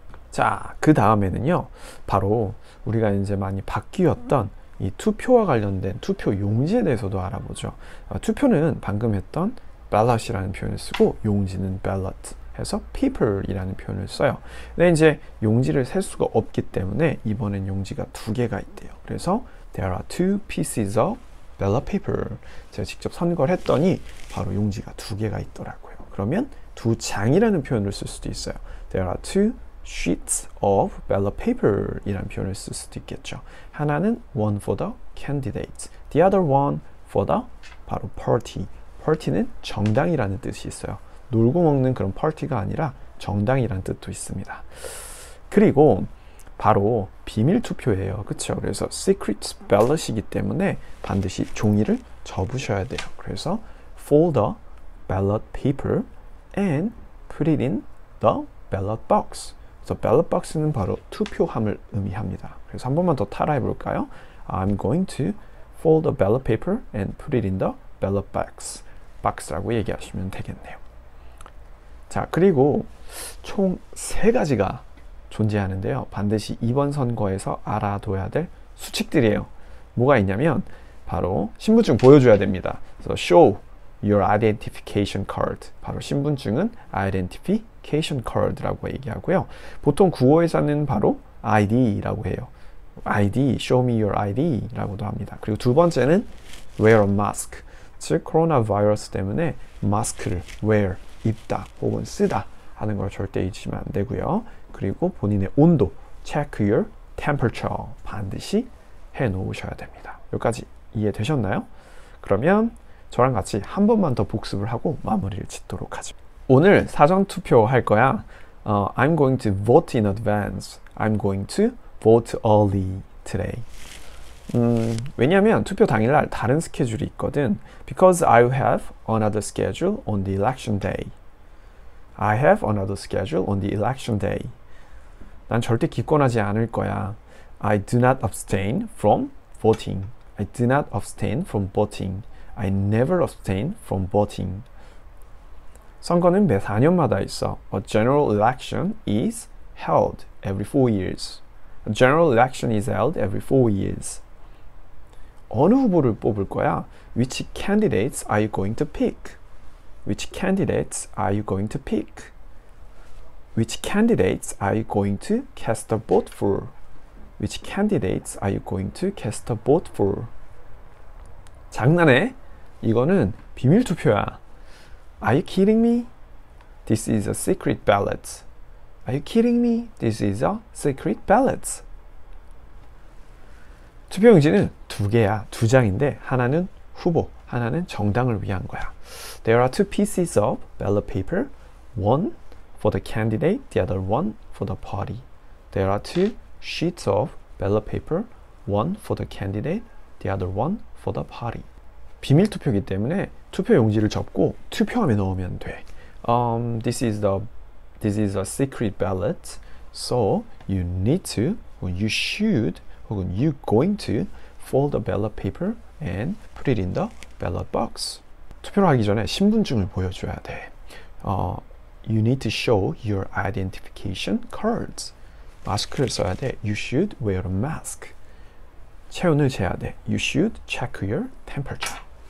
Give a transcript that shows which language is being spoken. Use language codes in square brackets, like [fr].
[ko] 자, 그 다음에는요, 바로 우리가 이제 많이 바뀌었던 이 투표와 관련된 투표 용지에 대해서도 알아보죠. 투표는 방금 했던 ballot이라는 표현을 쓰고, 용지는 ballot 해서 paper이라는 표현을 써요. 근데 이제 용지를 셀 수가 없기 때문에 이번엔 용지가 두 개가 있대요. 그래서 [en] there are two pieces of ballot paper. [ko] 제가 직접 선거를 했더니 바로 용지가 두 개가 있더라고요. 그러면 두 장이라는 표현을 쓸 수도 있어요. [en] There are two sheets of ballot paper [ko] 이란 표현을 쓸 수도 있겠죠. 하나는 [en] one for the candidate, the other one for the [ko] 바로 [en] party. [ko] party는 정당이라는 뜻이 있어요. 놀고 먹는 그런 파티가 아니라 정당이란 뜻도 있습니다. 그리고 바로 비밀 투표예요. 그쵸? 그래서 secret ballot이기 때문에 반드시 종이를 접으셔야 돼요. 그래서 [en] fold the ballot paper and put it in the ballot box. [ko] 그래서 ballot box는 바로 투표함을 의미합니다. 그래서 한 번만 더 따라해 볼까요? [en] I'm going to fold the ballot paper and put it in the ballot box. [ko] box라고 얘기하시면 되겠네요. 자, 그리고 총세 가지가 존재하는데요. 반드시 이번 선거에서 알아둬야 될 수칙들이에요. 뭐가 있냐면, 바로 신분증 보여줘야 됩니다. [en] So show your identification card. [ko] 바로 신분증은 [en] identification card라고 얘기하고요. [ko] 보통 구어에서는 바로 ID라고 해요. [en] ID, show me your ID라고도 합니다. [ko] 그리고 두 번째는 [en] wear a mask. [ko] 즉, 코로나 바이러스 때문에 마스크를 wear, 입다 혹은 쓰다 하는 걸 절대 잊으시면 안 되고요. 그리고 본인의 온도, [en] check your temperature [ko] 반드시 해놓으셔야 됩니다. 여기까지 이해되셨나요? 그러면 저랑 같이 한 번만 더 복습을 하고 마무리를 짓도록 하죠. 오늘 사전투표 할 거야. [en] I'm going to vote in advance. I'm going to vote early today. [ko] 왜냐면 투표 당일날 다른 스케줄이 있거든. [en] Because I have another schedule on the election day. I have another schedule on the election day. [ko] 난 절대 기권하지 않을 거야. [en] I do not abstain from voting. I do not abstain from voting. I never abstain from voting. [ko] 선거는 매 4년마다 있어. [en] A general election is held every 4 years. A general election is held every 4 years. [ko] 어느 후보를 뽑을 거야? [en] Which candidates are you going to pick? Which candidates are you going to pick? Which candidates are you going to cast a vote for? Which candidates are you going to cast a vote for? [ko] 장난해? 이거는 비밀 투표야. [en] Are you kidding me? This is a secret ballot. Are you kidding me? This is a secret ballot. [ko] 투표용지는 두 개야. 두 장인데 하나는 후보, 하나는 정당을 위한 거야. [en] There are two pieces of ballot paper. One for the candidate, the other one for the party. There are two sheets of ballot paper. One for the candidate, the other one for the party. [ko] 비밀 투표이기 때문에 투표 용지를 접고 투표함에 넣으면 돼. [en] This is the This is a secret ballot. So you need to, or you should, or you going to fold the ballot paper and put it in the ballot box. [ko] 투표를 하기 전에 신분증을 보여줘야 돼. [en] You need to show your identification cards. [ko] 마스크를 써야 돼. [en] You should wear a mask. [ko] 체온을 재야 돼. [en] You should check your temperature.